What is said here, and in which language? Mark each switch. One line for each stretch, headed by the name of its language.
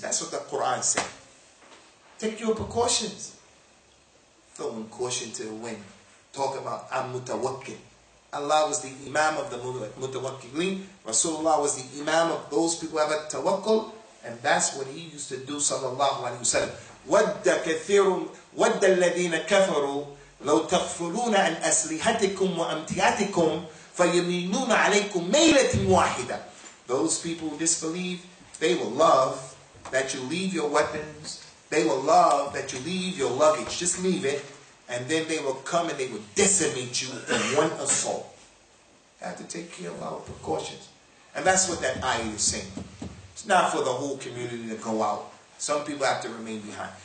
English: That's what the Quran said. Take your precautions. Throwing caution to the wind. Talk about Al-Mutawakkil. Allah was the imam of the Mutawakkilin. Rasulullah was the imam of those people who have a tawakkul. And that's what he used to do, sallallahu alayhi wa sallam.
Arabic: وَدَّ كَثِيرٌ وَدَّ الَّذِينَ كَفَرُوا لَوْ تَغْفُلُونَ عَنْ أَسْلِحَتِكُمْ وَأَمْتِيَاتِكُمْ فَيَمِينُونَ عَلَيْكُمْ مَيْلَةٍ وَاحِدًا
English: Those people who disbelieve, they will love that you leave your weapons. They will love that you leave your luggage. Just leave it. And then they will come and they will decimate you in one assault. You have to take care of our precautions. And that's what that ayah is saying. It's not for the whole community to go out. Some people have to remain behind.